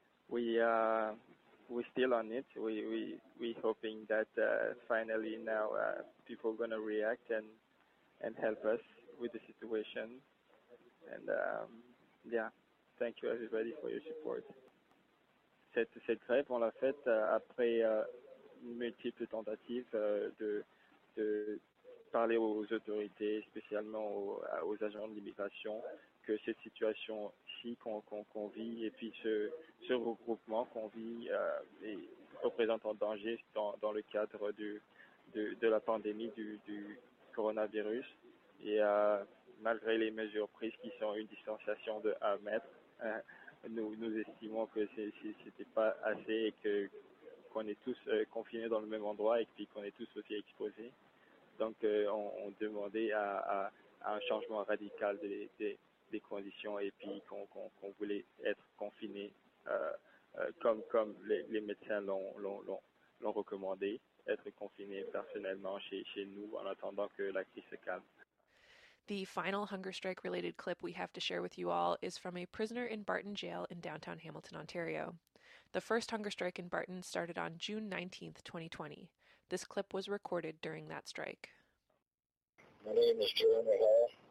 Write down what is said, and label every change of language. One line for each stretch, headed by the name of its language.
English: We're still on it. We're hoping that finally now people are going to react and help us with the situation. And yeah, thank you everybody for your support.
French: Cette grève, on l'a faite après multiples tentatives de parler aux autorités, spécialement aux agents de l'immigration, que cette situation-ci qu'on vit et puis ce regroupement qu'on vit représente un danger dans le cadre de la pandémie du coronavirus. Et malgré les mesures prises qui sont une distanciation de 1 mètre, nous estimons que c'était pas assez et qu'on est tous confinés dans le même endroit et puis qu'on est tous aussi exposés. Donc on demandait à un changement radical des conditions et puis qu'on voulait être confiné comme les médecins l'ont recommandé, être confiné personnellement chez nous en attendant que la crise se calme.
English: The final hunger strike related clip we have to share with you all is from a prisoner in Barton Jail in downtown Hamilton, Ontario. The first hunger strike in Barton started on June 19th, 2020. This clip was recorded during that strike. My name is Jeremy Hall.